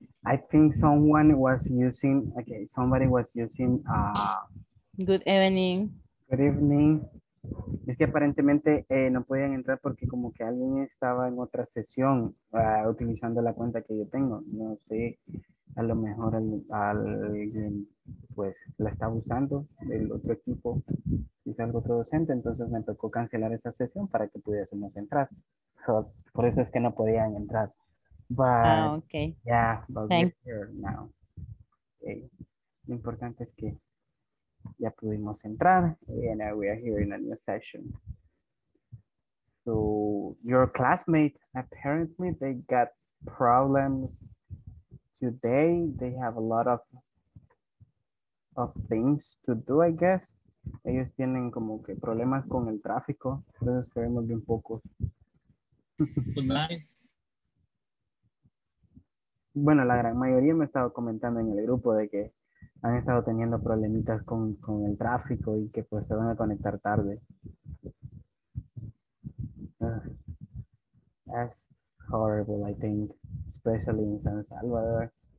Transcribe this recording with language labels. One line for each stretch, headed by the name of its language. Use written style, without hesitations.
English: I think someone was using, okay, somebody was using, Good evening. good evening.
Spanish: Es que aparentemente no podían entrar porque como que alguien estaba en otra sesión utilizando la cuenta que yo tengo. No sé, a lo mejor alguien pues la está usando del otro equipo, es algo otro docente, entonces me tocó cancelar esa sesión para que pudiésemos entrar. So, por eso es que no podían entrar.
English: But Ah, okay. yeah, but we're Thank. here now. Okay.
Spanish: Lo importante es que ya pudimos entrar
English: and we are here in a new session. So your classmate, apparently they got problems today. They have a lot of things to do, I guess.
Spanish: Ellos tienen como que problemas con el tráfico. Entonces esperemos bien poco.
English: Good night.
Spanish: Bueno, la gran mayoría me ha estado comentando en el grupo de que han estado teniendo problemitas con el tráfico y que pues se van a conectar tarde.
English: That's horrible, I think, especially in San Salvador.